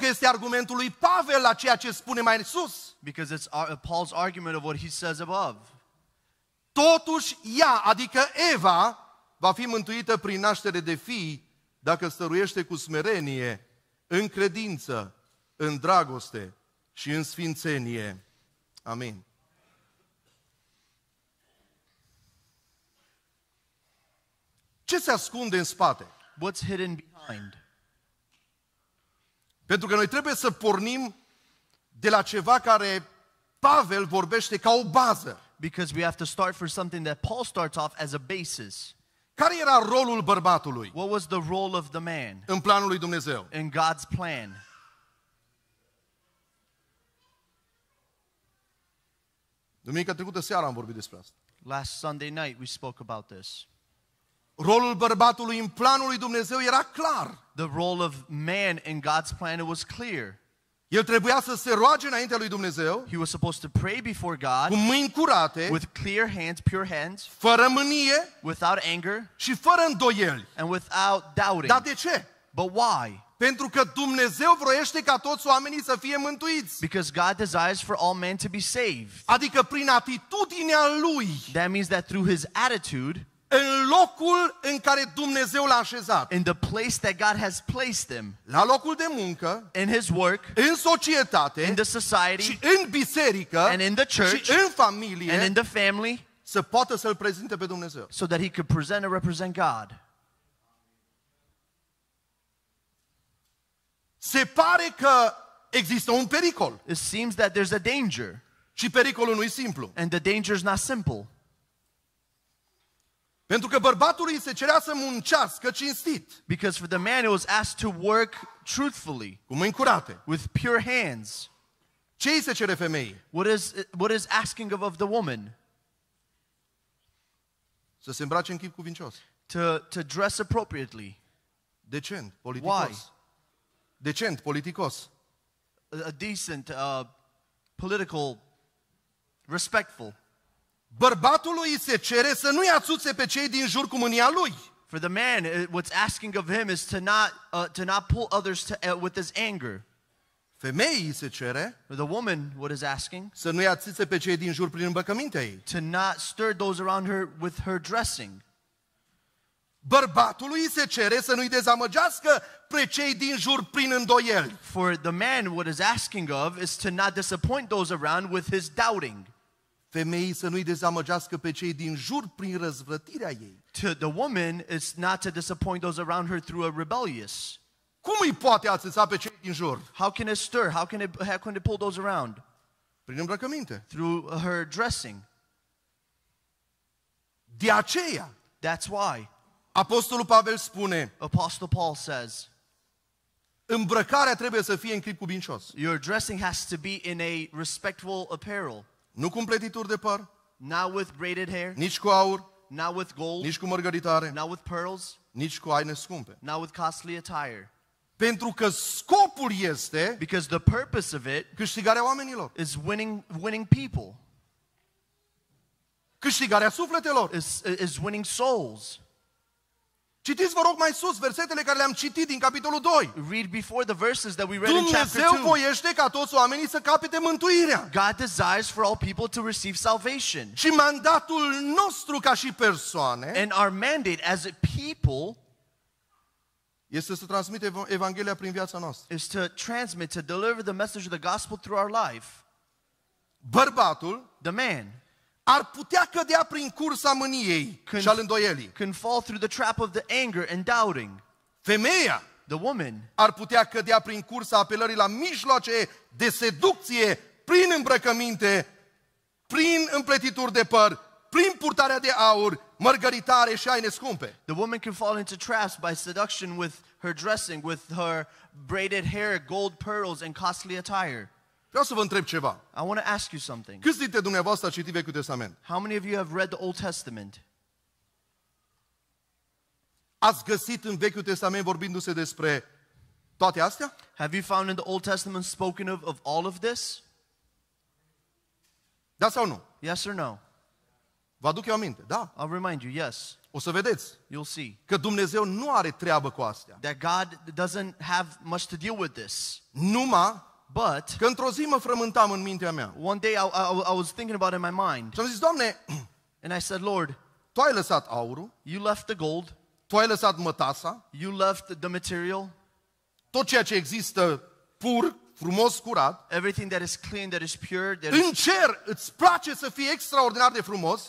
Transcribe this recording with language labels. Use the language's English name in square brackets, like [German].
[Romanian] Că este argumentul lui Pavel la ceea ce spune mai sus. [English] Because it's Paul's argument of what he says above. [Romanian] Totuși, ea, adică Eva, va fi mântuită prin naștere de fii, dacă stăruiește cu smerenie, în credință, în dragoste și în sfințenie. Amin. Ce se ascunde în spate? [English] What's hidden behind? [Romanian] Pentru că noi trebuie să pornim de la ceva care Pavel vorbește ca o bază. [English] Because we have to start for something that Paul starts off as a basis. [Romanian] Care era rolul bărbatului? [English] What was the role of the man? [Romanian] În planul lui Dumnezeu. [English] In God's plan. [Romanian] Duminica trecută seara am vorbit despre asta. [English] Last Sunday night we spoke about this. [Romanian] Rolul bărbatului în planul lui Dumnezeu era clar. [English] The role of man in God's plan, it was clear. [Romanian] El trebuia să se roage înaintea lui Dumnezeu. [English] He was supposed to pray before God. [Romanian] Cu mâini curate. [English] With clear hands, pure hands. [Romanian] Fără mânie. [English] Without anger. [Romanian] Și fără îndoieli. [English] And without doubting. [Romanian] Dar de ce? [English] But why? [Romanian] Pentru că Dumnezeu vroiește ca toți oamenii să fie mântuiți. [English] Because God desires for all men to be saved. [Romanian] Adică prin atitudinea lui. [English] That means that through his attitude. [Romanian] În locul în care Dumnezeu l-a așezat. [English] In the place that God has placed them. [Romanian] La locul de muncă. [English] In his work. [Romanian] În societate. [English] In the society. [Romanian] Și în biserică. [English] And in the church. [Romanian] Și în familie. [English] And in the family. [Romanian] Să poată să-l prezinte pe Dumnezeu. [English] So that he could present and represent God. [Romanian] Se pare că există un pericol. [English] It seems that there's a danger. [Romanian] Și pericolul nu e simplu. [English] And the danger is not simple. [Romanian] Pentru că bărbatului se cerea să muncească cinstit. [English] Because for the man it was asked to work truthfully. [Romanian] Cu mâini curate. [English] With pure hands. [Romanian] Ce îi se cere femeii? [English] What is asking of the woman? [Romanian] Să se îmbrace în chip cuvincios. [English] To dress appropriately. [Romanian] Decent, politicos. [English] Why? [Romanian] Decent, politicos. [English] A decent, political, respectful. [Romanian] Bărbatului se cere să nu-i asuțe pe cei din jur cu mânia lui. [English] For the man, what's asking of him is to not pull others with his anger. [Romanian] Femeii se cere. [English] For the woman, what is asking? [Romanian] Să nu-i asuțe pe cei din jur prin îmbrăcămintea ei. [English] To not stir those around her with her dressing. [Romanian] Bărbatului se cere să nu-i dezamăgească pe cei din jur prin îndoieli. [English] For the man, what is asking of is to not disappoint those around with his doubting. [Romanian] Femeii să nu-i dezamăgească pe cei din jur prin răzvrătirea ei. [English] To the woman is not to disappoint those around her through a rebellious. [Romanian] Cum îi poate ațesa pe cei din jur? [English] How can it stir? How can it pull those around? [Romanian] Prin îmbrăcăminte. [English] Through her dressing. [Romanian] De aceea. [English] That's why. [Romanian] Apostolul Pavel spune. [English] Apostle Paul says. [Romanian] Îmbrăcarea trebuie să fie în chip cuvincios. [English] Your dressing has to be in a respectful apparel. [Romanian] Nu cu împletituri de păr. [English] Not with braided hair. [Romanian] Nici cu aur. [English] Not with gold. [Romanian] Nici cu mărgăritare. [English] Not with pearls. [Romanian] Nici cu haine scumpe. [English] Not with costly attire. [Romanian] Pentru că scopul este. [English] Because the purpose of it. [Romanian] Câștigarea oamenilor. [English] Is winning people. [Romanian] Câștigarea sufletelor. [English] Is winning souls. [Romanian] Citiți, vă rog, mai sus versetele care le-am citit din capitolul 2. [English] Read before the verses that we read [Romanian] Dumnezeu [English] in chapter 2. [Romanian] Dumnezeu voiește ca toți oamenii să capete mântuirea. [English] God desires for all people to receive salvation. [Romanian] Și mandatul nostru ca și persoane. [English] And our mandate as a people. [Romanian] Este să transmite Evanghelia prin viața noastră. [English] Is to transmit, to deliver the message of the gospel through our life. [Romanian] Bărbatul. [English] The man. [Romanian] Ar putea cădea prin cursa mâniei și al îndoielii. [English] Can fall through the trap of the anger and doubting. [Romanian] Femeia. [English] The woman. [Romanian] Ar putea cădea prin cursa apelării la mijloace de seducție, prin îmbrăcăminte, prin împletituri de păr, prin purtarea de aur, mărgăritare și haine scumpe. [English] The woman can fall into traps by seduction with her dressing, with her braided hair, gold pearls and costly attire. [Romanian] Vreau să vă întreb ceva. [English] I want to ask you something. [Romanian] Câți dintre dumneavoastră ați citit Vechiul Testament? [English] How many of you have read the Old Testament? [Romanian] Ați găsit în Vechiul Testament vorbindu-se despre toate astea? [English] Have you found in the Old Testament spoken of all of this? [Romanian] Da sau nu? [English] Yes or no? [Romanian] Vă aduc eu aminte, da. [English] I'll remind you, yes. [Romanian] O să vedeți. [English] You'll see. [Romanian] Că Dumnezeu nu are treabă cu astea. [English] That God doesn't have much to deal with this. [Romanian] Numai. [English] But [Romanian] că într-o zi mă frământam în mintea mea. [English] One day I was thinking about it in my mind. [Romanian] Și am zis, Doamne, [English] and I said, Lord, [Romanian] tu ai lăsat aurul, [English] you left the gold, [Romanian] tu ai lăsat mătasa, [English] you left the material, [Romanian] tot ceea ce există pur, frumos, curat. [English] Everything that is clean, that is pure. That [Romanian] în cer îți place să fie extraordinar de frumos.